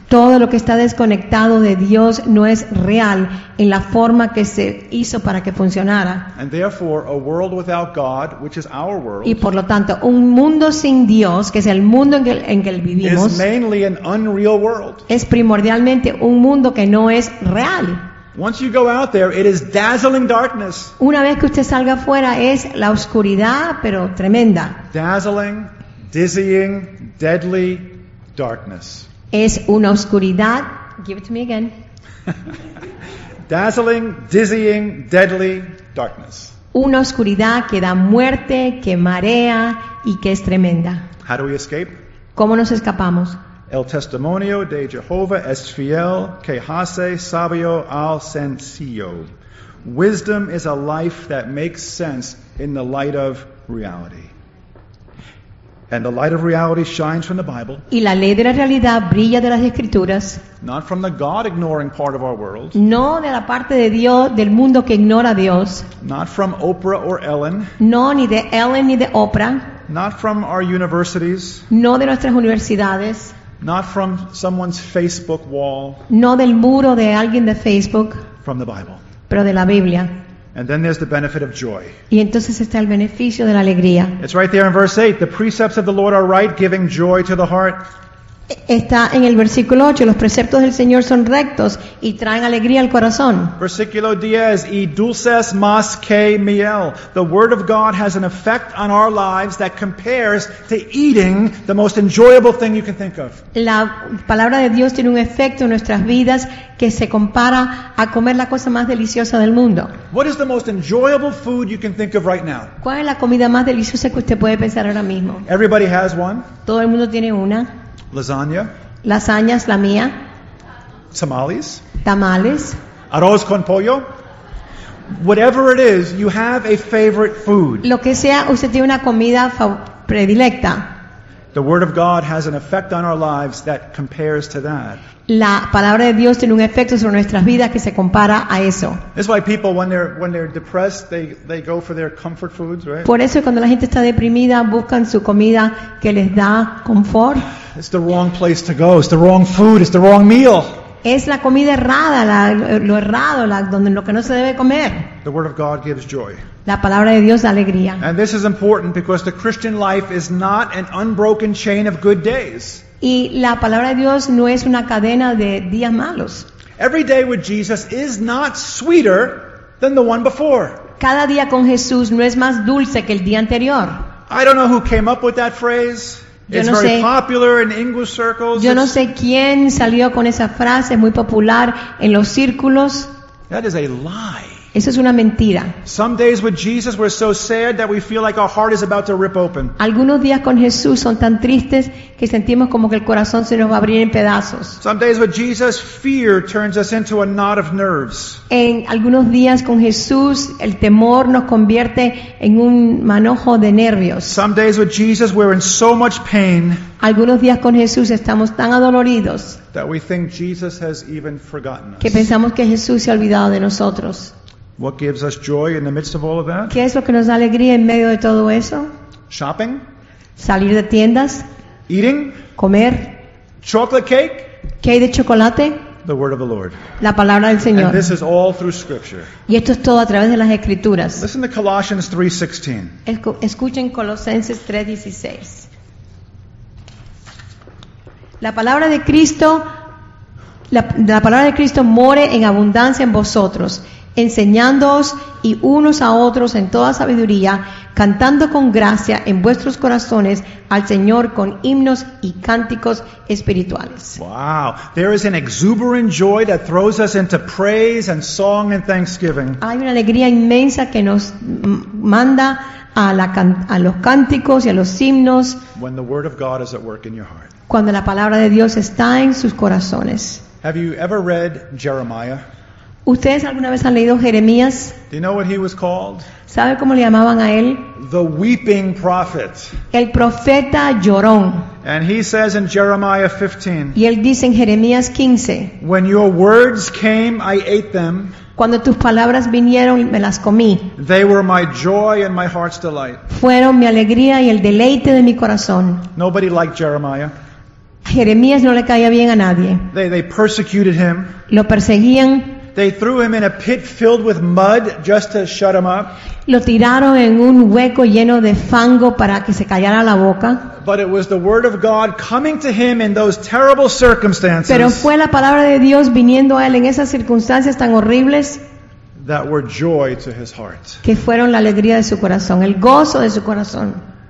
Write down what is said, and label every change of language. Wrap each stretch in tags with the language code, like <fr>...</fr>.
<es>Todo lo que está desconectado de Dios no es real en la forma que se hizo para que funcionara.</es> <en>And therefore, a world without God, which is our world,</en> <es>y por lo tanto, un mundo sin Dios, que es el mundo en que vivimos,</es> <en>is mainly an unreal world.</en> <es>Es primordialmente un mundo que no es real.</es> <en>Once you go out there, it is dazzling darkness.</en> <es>Una vez que usted salga afuera, es la oscuridad, pero tremenda.</es> <en>Dazzling, dizzying, deadly darkness.</en> <es>Es una oscuridad.</es> <en>Give it to me again. Dazzling, dizzying, deadly darkness.</en> <es>Una oscuridad que da muerte, que marea y que es tremenda.</es> <en>How do we escape?</en> <es>¿Cómo nos escapamos? El testimonio de Jehová es fiel, que hace sabio al sencillo.</es> <en>Wisdom is a life that makes sense in the light of reality. And the light of reality shines from the Bible.</en> <es>Y la ley de la realidad brilla de las Escrituras.</es> <en>Not from the God-ignoring part of our world.</en> <es>No de la parte de Dios, del mundo que ignora a Dios.</es> <en>Not from Oprah or Ellen.</en> <es>No, ni de Ellen ni de Oprah.</es> <en>Not from our universities.</en> <es>No de nuestras universidades.</es> <en>Not from someone's Facebook wall.</en> <es>No del muro de alguien de Facebook.</es> <en>From the Bible.</en> <es>Pero de la Biblia.</es> <en>And then there's the benefit of joy.</en> <es>Y entonces está el beneficio de la alegría.</es> <en>It's right there in verse 8. The precepts of the Lord are right, giving joy to the heart.</en> <es>Está en el versículo 8. Los preceptos del Señor son rectos y traen alegría al corazón. Versículo 10. Y dulces más que miel.</es> <en>The word of God has an effect on our lives that compares to eating the most enjoyable thing you can think of.</en> <es>La palabra de Dios tiene un efecto en nuestras vidas que se compara a comer la cosa más deliciosa del mundo.</es> <en>What is the most enjoyable food you can think of right now?</en> <es>¿Cuál es la comida más deliciosa que usted puede pensar ahora mismo?</es> <en>Everybody has one.</en> <es>Todo el mundo tiene una.</es> <en>Lasagna.</en> <es>Lasañas, la mía.</es> <en>Tamales.</en> <es>Tamales. Arroz con pollo.</es> <en>Whatever it is, you have a favorite food.</en> <es>Lo que sea, usted tiene una comida predilecta.</es> <en>The word of God has an effect on our lives that compares to that.</en> <es>La palabra de Dios tiene un efecto sobre nuestras vidas que se compara a eso.</es> <en>That's why people, when they're depressed, they go for their comfort foods, right?</en> <es>Por eso cuando la gente está deprimida buscan su comida que les da confort.</es> <en>It's the wrong place to go. It's the wrong food. It's the wrong meal.</en> <es>Es la comida errada, lo errado, donde lo que no se debe comer.</es> <en>The word of God gives joy.</en> <es>La palabra de Dios da alegría.</es> <en>And this is important because the Christian life is not an unbroken chain of good days.</en> <es>Y la palabra de Dios no es una cadena de días malos.</es> <en>Every day with Jesus is not sweeter than the one before.</en> <es>Cada día con Jesús no es más dulce que el día anterior.</es> <en>I don't know who came up with that phrase. It's no very popular in English circles.</en> <es>Yo no sé quién salió con esa frase muy popular en los círculos.</es> <en>That is a lie.</en> <es>Eso es una mentira.</es> <en>Some days with Jesus we're so sad that we feel like our heart is about to rip open.</en> <es>Algunos días con Jesús son tan tristes que sentimos como que el corazón se nos va a abrir en pedazos.</es> <en>Some days with Jesus fear turns us into a knot of nerves.</en> <es>En algunos días con Jesús el temor nos convierte en un manojo de nervios.</es> <en>Some days with Jesus we're in so much pain.</en> <es>Algunos días con Jesús estamos tan adoloridos.</es> <en>That we think Jesus has even forgotten us.</en> <es>Que pensamos que Jesús se ha olvidado de nosotros.</es> <en>What gives us joy in the midst of all of that?</en> <es>¿Qué es lo que nos da alegría en medio de todo eso?</es> <en>Shopping.</en> <es>Salir de tiendas.</es> <en>Eating.</en> <es>Comer.</es> <en>Chocolate cake.</en> <es>¿Qué hay de chocolate?</es> <en>The word of the Lord.</en> <es>La palabra del Señor.</es> <en>And this is all through Scripture.</en> <es>Y esto es todo a través de las Escrituras.</es> <en>Listen to Colossians 3:16.</en> <es>Escuchen Colosenses 3:16. La palabra de Cristo more en abundancia en vosotros. enseñándoos y unos a otros en toda sabiduría, cantando con gracia en vuestros corazones al Señor con himnos y cánticos espirituales.</es> <en>Wow, there is an exuberant joy that throws us into praise and song and thanksgiving.</en> <es>Hay una alegría inmensa que nos manda a los cánticos y a los himnos.</es> <en>When the word of God is at work in your heart.</en> <es>Cuando la palabra de Dios está en sus corazones.</es> <en>Have you ever read Jeremiah?</en> <es>¿Ustedes alguna vez han leído Jeremías?</es> <en>Do you know what he was called?</en> <es>¿Sabe cómo le llamaban a él?</es> <en>The weeping prophet.</en> <es>El profeta llorón.</es> <en>And he says in Jeremiah 15.</en> <es>Y él dice en Jeremías 15.</es> <en>When your words came, I ate them.</en> <es>Cuando tus palabras vinieron, me las comí.</es> <en>They were my joy and my heart's delight.</en> <es>Fueron mi alegría y el deleite de mi corazón.</es> <en>Nobody liked Jeremiah.</en> <es>Jeremías no le caía bien a nadie.</es> <en>They persecuted him.</en> <es>Lo perseguían.</es> <en>They threw him in a pit filled with mud just to shut him up.</en> <es>Lo tiraron en un hueco lleno de fango para que se callara la boca.</es> <en>But it was the word of God coming to him in those terrible circumstances.</en> <es>Pero fue la palabra de Dios viniendo a él en esas circunstancias tan horribles.</es> <en>That were joy to his heart.</en> <es>Que fueron la alegría de su corazón, el gozo de su corazón.</es>